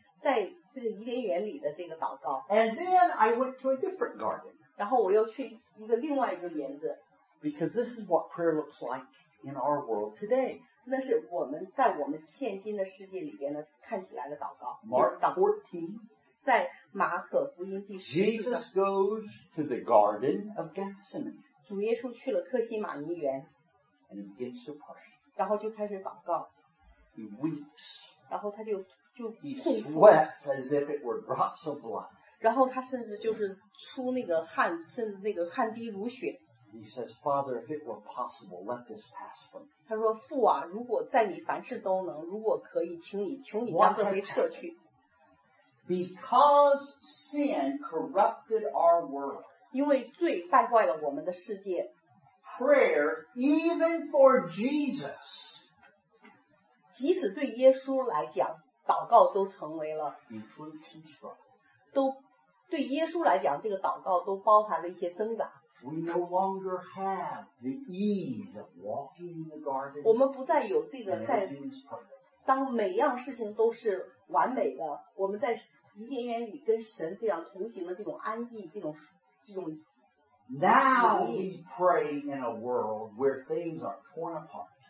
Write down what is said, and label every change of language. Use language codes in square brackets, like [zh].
[zh] 在这个伊甸园里的这个祷告。 [en] And then I went to a different garden. [zh] 然后我又去一个另外一个园子。 [en] Because this is what prayer looks like in our world today. [zh] 那是我们在我们现今的世界里边的看起来的祷告。 [en] Mark 14. [zh] 在马可福音第十章。 [en] Jesus goes to the garden of Gethsemane. [zh] 主耶稣去了克西马尼园。 [en] And he begins to pray. [zh] 然后就开始祷告, [en] he weeps. [zh] 然后他就, [en] he sweats as if it were drops of blood. [zh] 然后他甚至就是出那个汗, 甚至那个汗滴如血。 [en] He says, Father, if it were possible, let this pass from me. [zh] 他说父啊, 如果在你凡事都能, 如果可以, 请你, 求你将这杯撤去。 [en] Because sin corrupted our world. [zh] 因为罪败坏了我们的世界。 [en] Prayer, even for Jesus, [zh] 即使对耶稣来讲, 祷告都成为了, [en] includes some struggle. [zh] 对耶稣来讲, 这个祷告都包含了一些挣扎。 [en] We no longer have the ease of walking in the garden. [zh] 我们不再有这个在, 当每样事情都是完美的, 我们在伊甸园里跟神这样同行的这种安逸, 这种, [en] Now we pray in a world where things are torn apart.